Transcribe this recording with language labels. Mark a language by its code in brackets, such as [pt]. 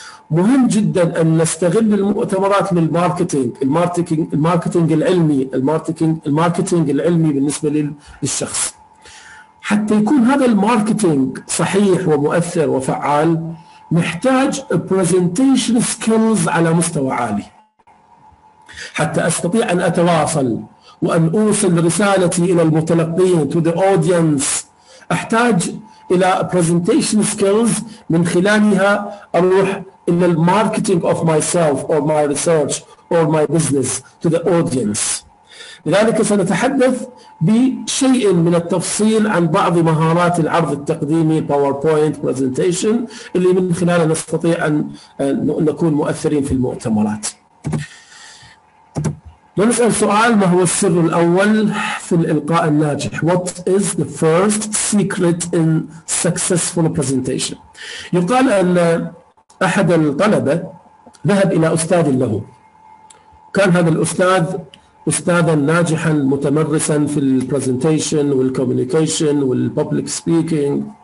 [ar] مهم جدا أن نستغل المؤتمرات للماركتينج، الماركتينج العلمي، الماركتينج العلمي بالنسبة للشخص، حتى يكون هذا الماركتينج صحيح ومؤثر وفعال نحتاج presentation skills على مستوى عالي حتى أستطيع أن أتواصل وأن أوصل رسالتي إلى المتلقين [en] to the audience. [ar] أحتاج إلى presentation skills من خلالها أروح إلى [en] marketing of myself or my research or my business to the audience. [ar] لذلك سنتحدث بشيء من التفصيل عن بعض مهارات العرض التقديمي PowerPoint Presentation اللي من خلالها نستطيع أن نكون مؤثرين في المؤتمرات. نسأل سؤال، ما هو السر الأول في الإلقاء الناجح؟ [en] What is the first secret in successful presentation؟ [ar] يقال أن أحد الطلبة ذهب إلى أستاذ له، كان هذا الأستاذ أستاذا ناجحا متمرسا في البرزنتيشن والكوميونيكيشن والبوبليك سبيكينج،